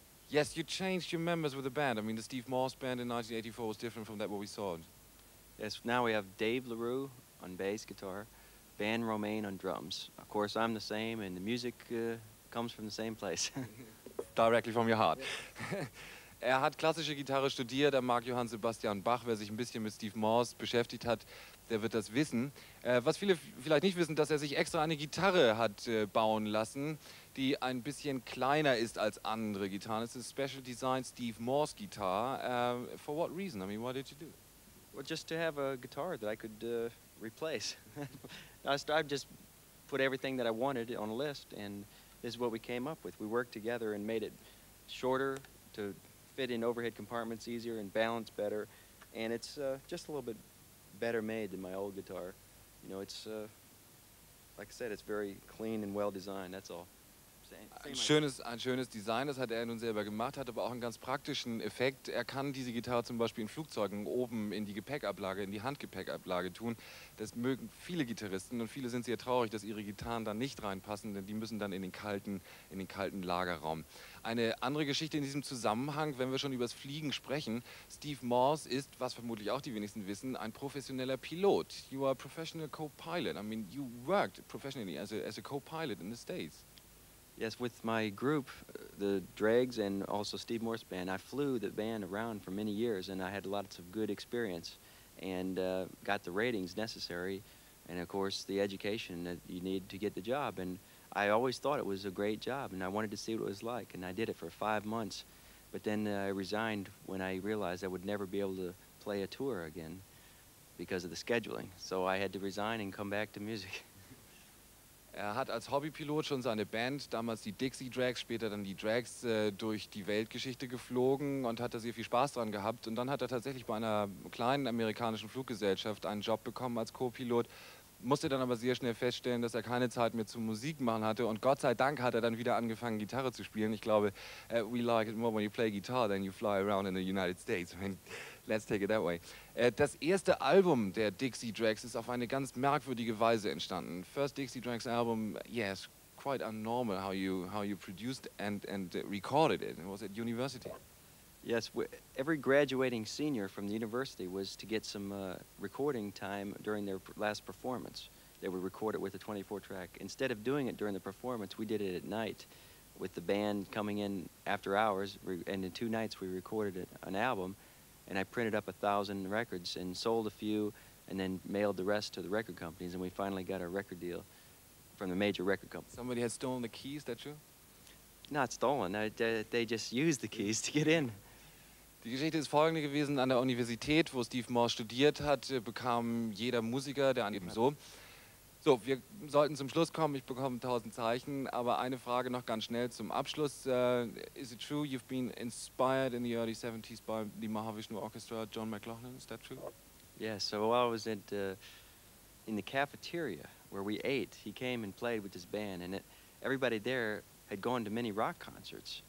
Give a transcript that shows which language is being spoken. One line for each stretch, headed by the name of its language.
English: Yes, you changed your members with the band. I mean, the Steve Morse band in 1984 was different from that what we saw. Yes, now we have Dave LaRue on bass guitar, Van Romaine on drums. Of course, I'm the same, and the music comes from the same place. Directly from your heart.
German: Er hat klassische Gitarre studiert, er mag Johann Sebastian Bach. Wer sich ein bisschen mit Steve Morse beschäftigt hat, der wird das wissen. Was viele vielleicht nicht wissen, dass er sich extra eine Gitarre hat bauen lassen, die ein bisschen kleiner ist als andere Gitarren.
English: It's a special design Steve Morse guitar. For what reason? I mean, why did you do it? Well, just to have a guitar that I could replace. I just put everything that I wanted on a list, and this is what we came up with. We worked together and made it shorter to fit in overhead compartments easier and balance better, and it's just a little bit better made than my old guitar. You know, it's like I said, it's very clean and well designed. That's all.
German: Ein schönes Design, das hat er nun selber gemacht, hat aber auch einen ganz praktischen Effekt. Er kann diese Gitarre zum Beispiel in Flugzeugen oben in die Gepäckablage, in die Handgepäckablage tun. Das mögen viele Gitarristen und viele sind sehr traurig, dass ihre Gitarren da nicht reinpassen, denn die müssen dann in den kalten Lagerraum. Eine andere Geschichte in diesem Zusammenhang, wenn wir schon über das Fliegen sprechen, Steve Morse ist, was vermutlich auch die wenigsten wissen, ein professioneller Pilot.
English: You are a professional co-pilot. I mean, you worked professionally as a co-pilot in the States. Yes, with my group, the Dregs, and also Steve Morse Band, I flew the band around for many years, and I had lots of good experience, and got the ratings necessary, and of course the education that you need to get the job. And I always thought it was a great job, and I wanted to see what it was like, and I did it for 5 months, but then I resigned when I realized I would never be able to play a tour again because of the scheduling. So I had to resign and come back to music.
German: Er hat als Hobbypilot schon seine Band, damals die Dixie Drags, später dann die Drags, durch die Weltgeschichte geflogen und hat da sehr viel Spaß dran gehabt. Und dann hat er tatsächlich bei einer kleinen amerikanischen Fluggesellschaft einen Job bekommen als Co-Pilot, musste dann aber sehr schnell feststellen, dass er keine Zeit mehr zum Musik machen hatte. Und Gott sei Dank hat er dann wieder angefangen, Gitarre zu spielen. Ich glaube,
English: we like it more when you play guitar than you fly around in the United States. I mean, let's take it that way.
German: Das erste Album der Dixie Drags ist auf eine ganz merkwürdige Weise entstanden.
English: First Dixie Drags album, yes, quite unnormal how you produced and recorded it. It was at university. Yes, every graduating senior from the university was to get some recording time during their last performance. They would record it with a 24-track. Instead of doing it during the performance, we did it at night with the band coming in after hours, and in 2 nights we recorded an album. And I printed up 1,000 records and sold a few and then mailed the rest to the record companies. And we finally got a record deal from the major record company. Somebody had stolen the keys, is that true? Not stolen, they just used the keys to get in.
German: Die Geschichte ist folgende gewesen. An der Universität, wo Steve Morse studiert hat, bekam jeder Musiker, der an eben so. So, wir sollten zum Schluss kommen. Ich bekomme 1000 Zeichen. Aber eine Frage noch ganz schnell zum Abschluss.
English: Is it true you've been inspired in the early 70s by the Mahavishnu Orchestra, John McLaughlin? Is that true? Yes, so I was in the cafeteria where we ate. He came and played with his band. And everybody there had gone to many rock concerts.